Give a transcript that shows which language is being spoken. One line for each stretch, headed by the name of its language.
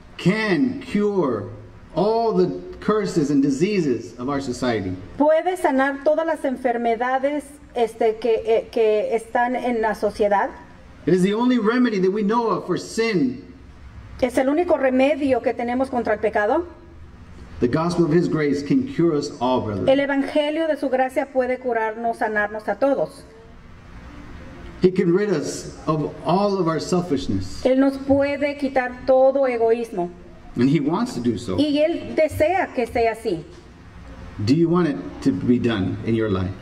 English: Can cure all the curses and diseases of our society.
Spanish: Puede sanar todas las enfermedades que están en la sociedad.
English: It is the only remedy that we know of for sin.
Spanish: Es el único remedio que tenemos contra el pecado.
English: The gospel of his grace can cure us all, brother.
Spanish: El evangelio de su gracia puede curarnos, sanarnos a todos.
English: He can rid us of all of our selfishness.
Spanish: Él nos puede quitar todo egoísmo.
English: And he wants to do so.
Spanish: Y él desea que sea así.
English: Do you want it to be done in your life?